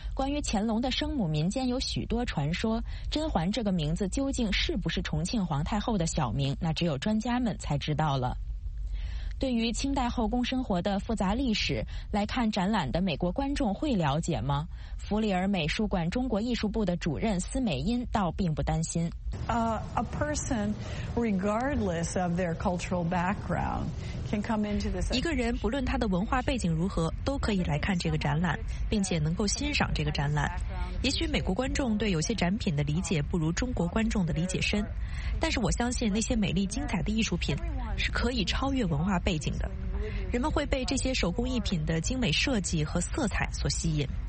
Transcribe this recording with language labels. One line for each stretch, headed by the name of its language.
Chinese: 关于乾隆的生母，民间有许多传说，甄嬛这个名字究竟是不是重庆皇太后的小名，那只有专家们才知道了。对于清代后宫生活的复杂历史，来看展览的美国观众会了解吗？弗里尔美术馆中国艺术部的主任司美因倒并不担心。
English: A person, regardless of their cultural background, can come into this.
Chinese: 一个人不论他的文化背景如何，都可以来看这个展览，并且能够欣赏这个展览。也许美国观众对有些展品的理解不如中国观众的理解深，但是我相信那些美丽精彩的艺术品是可以超越文化背景的。人们会被这些手工艺品的精美设计和色彩所吸引。